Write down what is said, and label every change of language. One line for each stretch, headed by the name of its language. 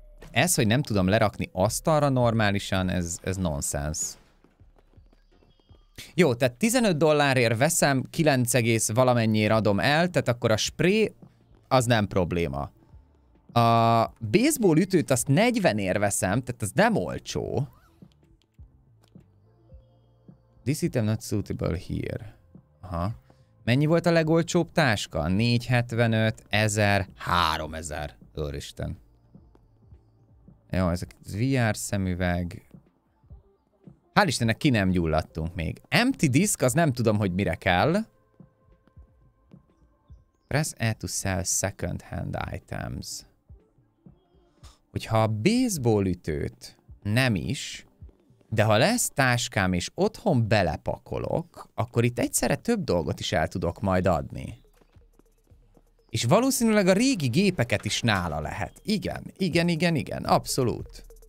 Hungarian: Ez, hogy nem tudom lerakni asztalra normálisan, ez nonsense. Jó, tehát 15 dollárért veszem, 9 egész valamennyiért adom el, tehát akkor a spré az nem probléma. A baseball ütőt azt 40-ért veszem, tehát az nem olcsó.
English: This item not suitable here. Aha.
Hungarian: Mennyi volt a legolcsóbb táska? 475, 1000, 3000. Úristen. Jó, ez a VR szemüveg. Hál' Istennek ki nem gyulladtunk még. Empty disk, az nem tudom, hogy mire kell.
English: Press E to sell second hand items.
Hungarian: Hogyha a baseball ütőt nem is, de ha lesz táskám és otthon belepakolok, akkor itt egyszerre több dolgot is el tudok majd adni. És valószínűleg a régi gépeket is nála lehet. Igen, abszolút.